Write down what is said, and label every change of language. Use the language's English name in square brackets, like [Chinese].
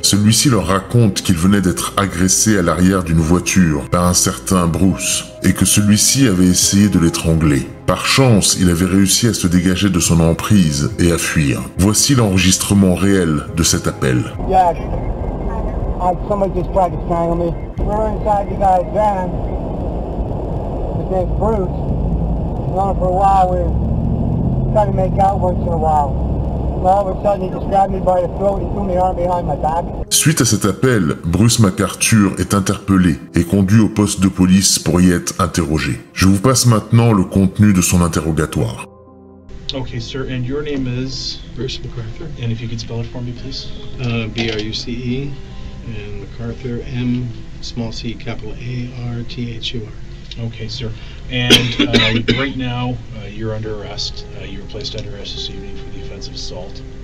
[French] Celui-ci leur raconte qu'il venait d'être agressé à l'arrière d'une voiture par un certain Bruce et que celui-ci avait essayé de l'étrangler. Par chance, il avait réussi à se dégager de son emprise et à fuir. Voici l'enregistrement réel de cet appel. [English] Yes. Someone just tried to strangle me. We're inside the guy's van. His name's Bruce. Gone for a while, we were trying to make out once in a while. All of a sudden, he just grabbed me by the throat and threw my arm behind my back. [French] Suite à cet appel, Bruce MacArthur est interpellé et conduit au poste de police pour y être interrogé. Je vous passe maintenant le contenu de son interrogatoire. [English] Okay, sir, and your name is Bruce MacArthur. And if you could spell it for me, please. B-R-U-C-E and MacArthur, M small c capital A-R-T-H-U-R. Okay, sir. And right now, you're under arrest. You were placed under arrest this evening for the offense of assault.